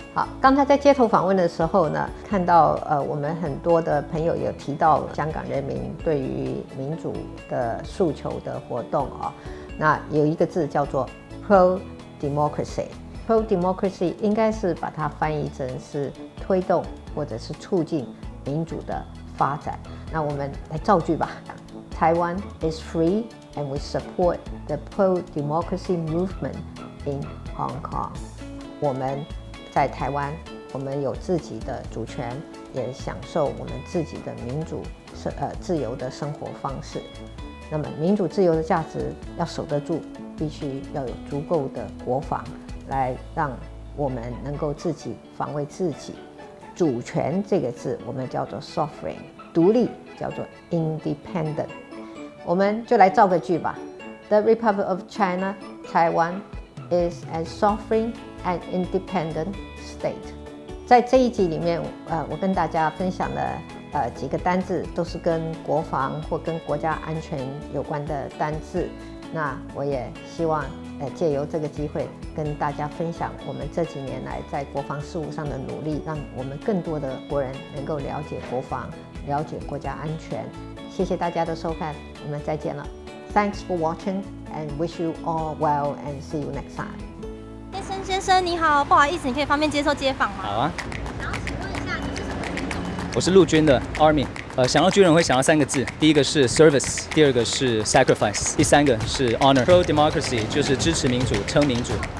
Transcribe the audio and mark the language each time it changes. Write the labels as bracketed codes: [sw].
[zh] 好，刚才在街头访问的时候呢，看到我们很多的朋友有提到香港人民对于民主的诉求的活动那有一个字叫做 pro democracy。 pro democracy 应该是把它翻译成是推动或者是促进民主的发展。那我们来造句吧。 [en] Taiwan is free and we support the pro-democracy movement in Hong Kong. [zh] 我们在台湾，我们有自己的主权，也享受我们自己的民主自由的生活方式。那么民主自由的价值要守得住，必须要有足够的国防，来让我们能够自己防卫自己。主权这个字我们叫做 sovereign， 独立叫做 independent。我们就来造个句吧。 [en] The Republic of China, Taiwan is a sovereign and independent state。 [zh] 在这一集里面我跟大家分享了几个单字，都是跟国防或跟国家安全有关的单字。那我也希望借由这个机会跟大家分享我们这几年来在国防事务上的努力，让我们更多的国人能够了解国防，了解国家安全。谢谢大家的收看，我们再见了。 [en] Thanks for watching and wish you all well and see you next time。 [zh] 先生你好，不好意思，你可以方便接受接访吗？好啊。想要请问一下，你是什么兵种？我是陆军的 Army。想到军人会想到三个字，第一个是 service， 第二个是 sacrifice， 第三个是 honor。 Pro democracy 就是支持民主，称民主。